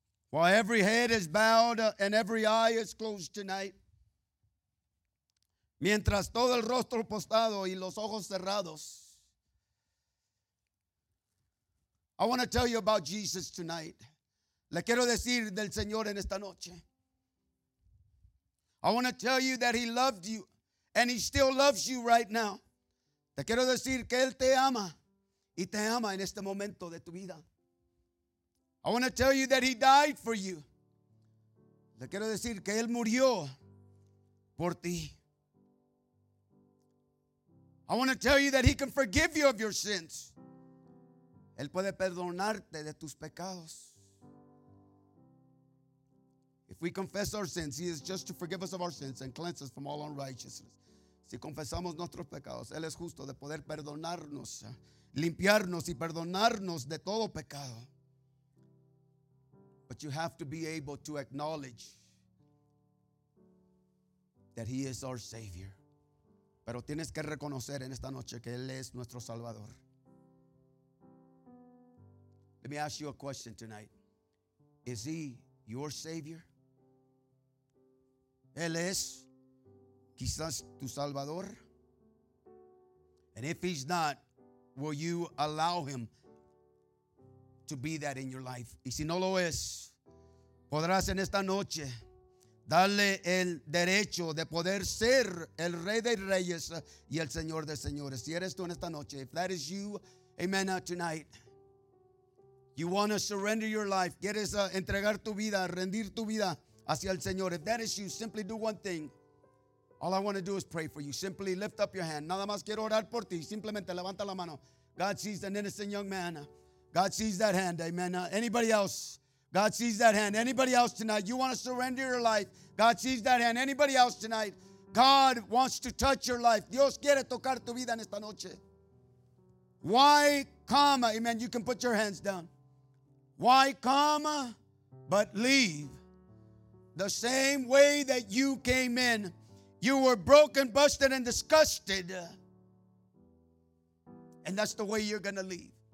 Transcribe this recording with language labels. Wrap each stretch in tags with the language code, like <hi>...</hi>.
<en>While every head is bowed and every eye is closed tonight,</en> <es>mientras todo el rostro postrado y los ojos cerrados,</es> <en>I want to tell you about Jesus tonight.</en> <es>Le quiero decir del Señor en esta noche.</es> <en>I want to tell you that he loved you and he still loves you right now.</en> <es>Te quiero decir que él te ama y te ama en este momento de tu vida.</es> <en>I want to tell you that he died for you.</en> <es>Le quiero decir que él murió por ti.</es> <en>I want to tell you that he can forgive you of your sins.</en> <es>Él puede perdonarte de tus pecados.</es> <en>If we confess our sins, he is just to forgive us of our sins and cleanse us from all unrighteousness.</en> <es>Si confesamos nuestros pecados, él es justo de poder perdonarnos, limpiarnos y perdonarnos de todo pecado.</es> <en>But you have to be able to acknowledge that he is our Savior.</en> <es>Pero tienes que reconocer en esta noche que él es nuestro Salvador.</es> <en>Let me ask you a question tonight. Is he your Savior?</en> <es>Él es quizás tu Salvador.</es> <en>And if he's not, will you allow him to be that in your life?</en> <es>Y si no lo es, podrás en esta noche darle el derecho de poder ser el Rey de Reyes y el Señor de Señores. Si eres tú en esta noche,</es> <en>if that is you, amen, tonight. You want to surrender your life.</en> <es>Quieres entregar tu vida, rendir tu vida hacia el Señor.</es> <en>If that is you, simply do one thing. All I want to do is pray for you. Simply lift up your hand.</en> <es>Nada más quiero orar por ti. Simplemente levanta la mano.</es> <en>God sees an innocent young man. God sees that hand. Amen. Anybody else? God sees that hand. Anybody else tonight? You want to surrender your life? God sees that hand. Anybody else tonight? God wants to touch your life.</en> <es>Dios quiere tocar tu vida en esta noche.</es> <en>Why come? Amen. You can put your hands down. Why come but leave The same way that you came in, you were broken, busted, and disgusted. And that's the way you're going to leave.</en>